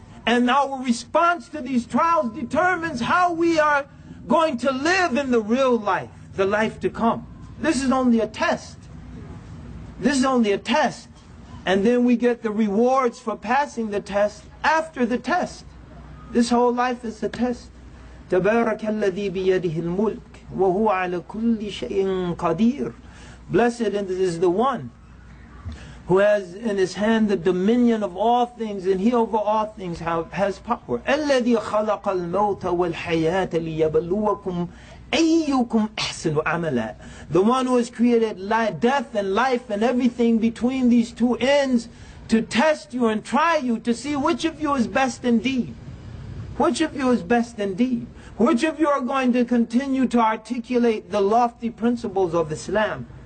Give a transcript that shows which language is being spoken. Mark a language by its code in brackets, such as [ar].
[en] And our response to these trials determines how we are going to live in the real life, the life to come. This is only a test. This is only a test. And then we get the rewards for passing the test after the test. This whole life is a test. [ar] تبارك الذي بيده الملك وهو على كل شيء قدير. [en] Blessed is the one who has in his hand the dominion of all things, and he over all things has power. [ar] الذي خلق الموت والحياة ليبلوكم أيكم أحسن عملا. [en] The one who has created life, death and life and everything between these two ends to test you and try you to see which of you is best indeed. Which of you is best indeed? Which of you are going to continue to articulate the lofty principles of Islam?